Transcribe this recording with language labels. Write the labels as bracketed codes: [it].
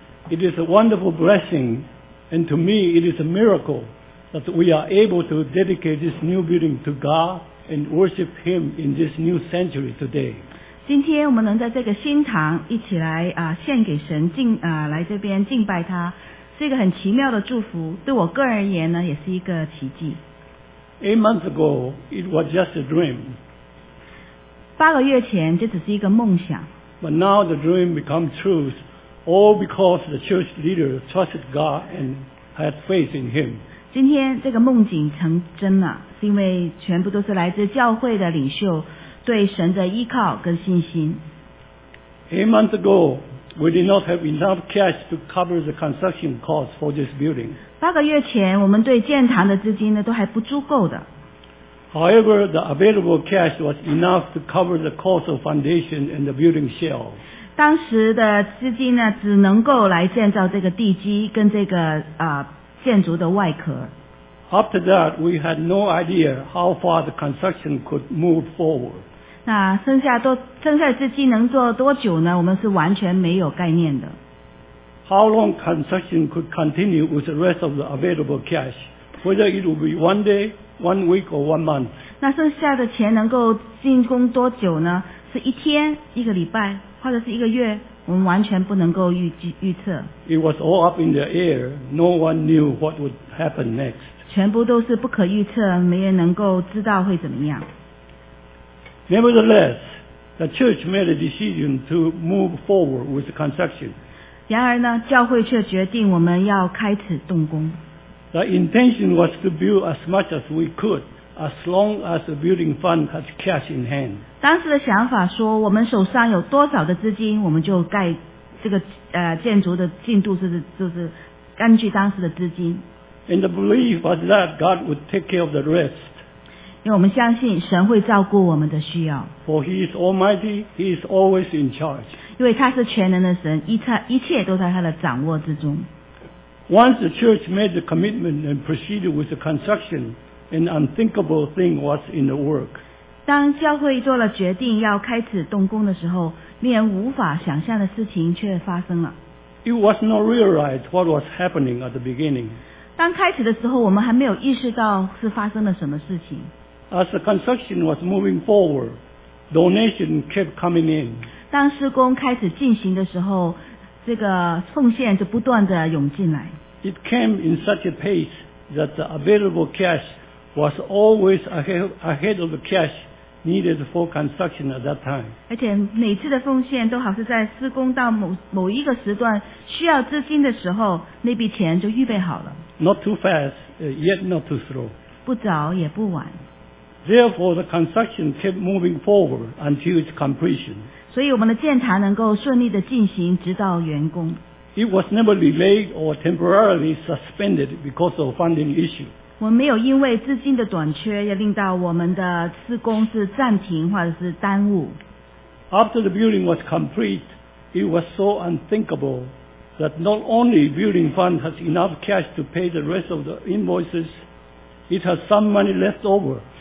[en] It is a wonderful blessing, and to me, it is a miracle that we are able to dedicate this new building to God and worship Him in this new sanctuary today. [zh] 今天我们能在这个新堂一起来献给神，来这边敬拜他，是一个很奇妙的祝福。对我个人而言呢，也是一个奇迹。 [en] 8 months ago, it was just a dream. [zh] 八个月前，这只是一个梦想。 [en] But now the dream becomes truth, all because the church leader trusted God and had faith in Him. [zh] 今天这个梦境成真了，是因为全部都是来自教会的领袖对神的依靠跟信心。 [en] 8 months ago, we did not have enough cash to cover the construction costs for this building. [zh] 八个月前，我们对建堂的资金呢都还不足够的。 [en] However, the available cash was enough to cover the cost of foundation and the building shell. [zh] 当时的资金呢，只能够来建造这个地基跟这个建筑的外壳。 [en] After that, we had no idea how far the construction could move forward. [zh] 那剩下资金能做多久呢？我们是完全没有概念的。 [en] how long construction could continue with the rest of the available cash, whether it will be one day, one week, or one month. [zh] 那剩下的钱能够进攻多久呢？是一天、一个礼拜，或者是一个月？我们完全不能够预测。 [en] It was all up in the air. No one knew what would happen next. [zh] 全部都是不可预测，没人能够知道会怎么样。 [en] Nevertheless, the church made a decision to move forward with the construction. [zh] 然而呢，教会却决定我们要开始动工。 [en] The intention was to build as much as we could, as long as the building fund had cash in hand. [zh] 当时的想法说，我们手上有多少的资金，我们就盖这个建筑的进度就是根据当时的资金。 [en] And the belief was that God would take care of the rest. [zh] 因为我们相信神会照顾我们的需要。 [en] For He is Almighty, He is always in charge. [zh] 因为他是全能的神，一切都在他的掌握之中。 [en] Once the church made the commitment and proceeded with the construction, an unthinkable thing was in the work. [zh] 当教会做了决定要开始动工的时候，令人无法想象的事情却发生了。 [en] It was not realized what was happening at the beginning. [zh] 当开始的时候，我们还没有意识到是发生了什么事情。 [en] As the construction was moving forward, donation kept coming in. [zh] 当施工开始进行的时候，这个奉献就不断地涌进来。 [en] It came in such a pace that the available cash was always ahead of the cash needed for construction at that time. [zh] 而且每次的奉献都好像在施工到某一个时段需要资金的时候，那笔钱就预备好了。 [en] Not too fast, yet not too slow. [zh] 不早也不晚。 [en] Therefore, the construction kept moving forward until its completion. [zh] 所以我们的建堂能够顺利地进行直到完工。 [en] It was never delayed or temporarily suspended because of funding issue. [zh] 我们没有因为资金的短缺也令到我们的施工是暂停或者是耽误。 [en] After the building was complete, it was so unthinkable. That not only building fund has enough cash to pay the rest of the invoices, it has some money left over.